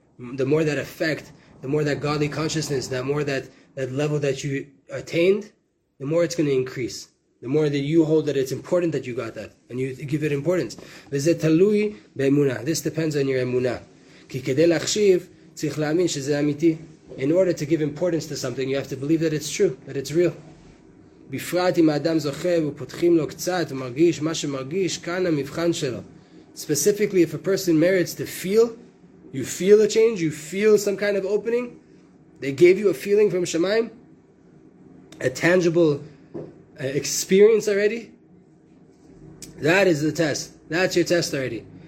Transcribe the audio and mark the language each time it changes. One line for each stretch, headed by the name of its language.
English: The more that effect, the more that godly consciousness, the more that level that you attained, the more it's going to increase. The more that you hold that it's important that you got that, and you give it importance. This depends on your emunah. In order to give importance to something, you have to believe that it's true, that it's real.
Hebrew: בפרט אם האדם זוכה ופותחים לו קצת ומרגיש מה שמרגיש כאן המבחן שלו.
English: Specifically, if a person merits to feel, you feel a change, you feel some kind of opening, they gave you a feeling from Shemaim, a tangible experience already, that is the test. That's your test already.